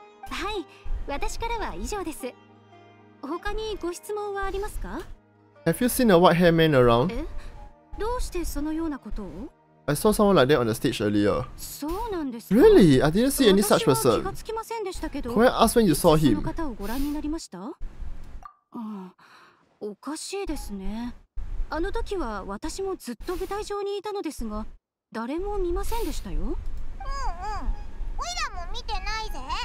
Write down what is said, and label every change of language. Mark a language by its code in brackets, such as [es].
[ja] はい、私からは以上です。他にご質問はありますか？ [en] Have you seen a white hair man around? [ja] どうしてそのようなこと [en] を？ I saw someone like that on the stage earlier. [ja] そうなんです [en] か？Really? I didn't see any such person. [ja] 私は気がつきませんでしたけど。 [en] Can I ask when you saw him? [ja] その方をご覧になりました？おかしいですね。あの時は私もずっと舞台上にいたのですが、誰も見ませんでしたよ。うんうん、オイラも見てないぜ。